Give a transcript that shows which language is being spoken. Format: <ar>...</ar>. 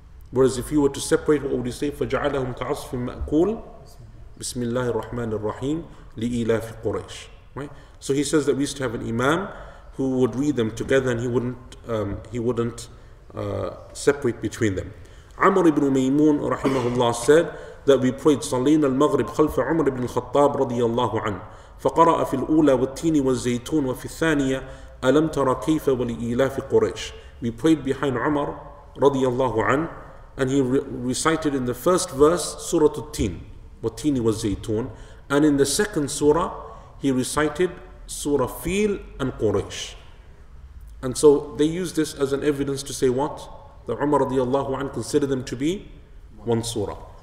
<en>Whereas if you were to separate, what would he say?</en> <ar>فَجَعَلَهُمْ كَعَصْفٍ مَأْكُولٍ بِسْمِ اللَّهِ الرَّحْمَنِ الرَّحِيمِ لِإِلَافِ قُرَيْشِ. Right?</ar> <en>So he says that we used to have an imam who would read them together and he wouldn't separate between them. Amr ibn Maymun rahimahullah said that we prayed</en> <ar>صَلِينَ الْمَغْرِبْ خَلْفَ عُمْرِ بْنِ الْخَطَّابِ رَضِيَ اللَّهُ عَنْهُ فقرأ في الأولى والتين والزيتون وفي الثانية ألم ترى كيف ولإيلاف قريش.</ar> <en>We prayed behind Umar</en> <ar>رضي الله عنه,</ar> <en>and he recited in the first verse Surah At-Tin,</en> <ar>والتين والزيتون,</ar> <en>and in the second surah he recited Surah Fil and Quraysh. And so they use this as an evidence to say what? That Umar</en> <ar>رضي الله عنه</ar> <en>considered them to be one surah.</en>